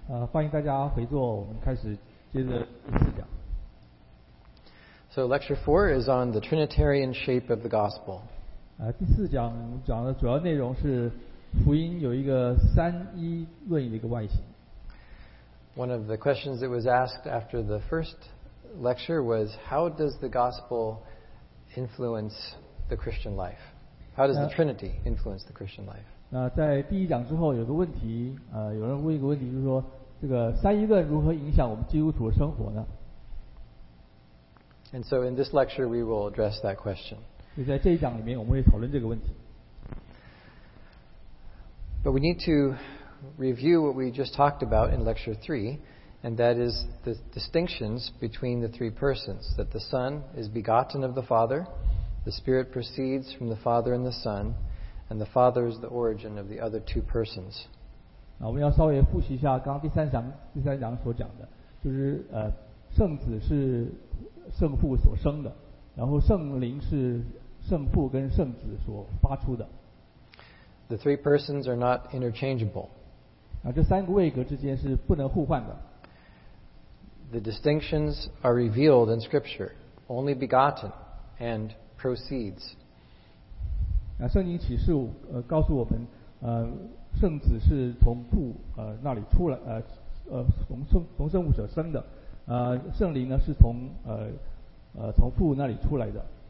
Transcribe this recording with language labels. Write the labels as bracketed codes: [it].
[zh] 欢迎大家回座，我们开始接着试讲。 [en] So lecture 4 is on the Trinitarian shape of the gospel. [zh] 第四讲讲的主要内容是福音有一个三一论的一个外形。 [en] One of the questions that was asked after the first lecture was, how does the gospel influence the Christian life? How does the Trinity influence the Christian life? [zh] 在第一讲之后有个问题，有人问一个问题，就是说这个三一论如何影响我们基督徒的生活呢？ [en] And so in this lecture we will address that question. [zh] 就在这一讲里面我们会讨论这个问题。 [en] But we need to review what we just talked about in lecture 3, and that is the distinctions between the three persons, that the Son is begotten of the Father, the Spirit proceeds from the Father and the Son, and the Father is the origin of the other two persons. [zh] 我们要稍微复习一下刚刚第三讲所讲的，就是圣子是圣父所生的，然后圣灵是圣父跟圣子所发出的。 [en] The three persons are not interchangeable. [zh] 这三个位格之间是不能互换的。 [en] The distinctions are revealed in Scripture, only begotten and proceeds. [zh] 圣经启示告诉我们圣子是从父那里出来从圣父所生的圣灵呢是从父那里出来的。